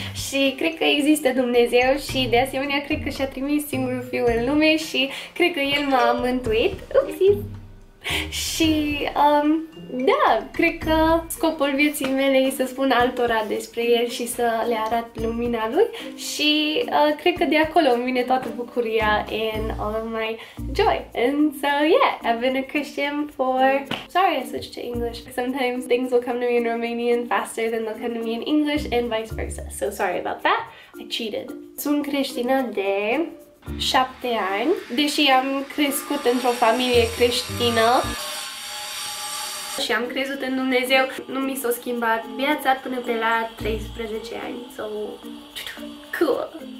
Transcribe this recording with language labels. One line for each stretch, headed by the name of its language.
Romanian: Și cred că există Dumnezeu și de asemenea cred că și-a trimis singurul fiu în lume și cred că el m-a mântuit. Upsi. Și, da, cred că scopul vieții mele e să spun altora despre el și să le arăt lumina lui și cred că de acolo îmi vine toată bucuria
English: and all of my joy. And so, yeah, I've been a Christian for... Sorry I switched to English. Sometimes things will come to me in Romanian faster than they'll come to me in English and vice versa. So sorry about that. I cheated.
Romanian: Sunt creștină de... 7 ani, deși am crescut într-o familie creștină și am crezut în Dumnezeu, nu mi s-a schimbat viața până pe la 13 ani.
English: So, cool!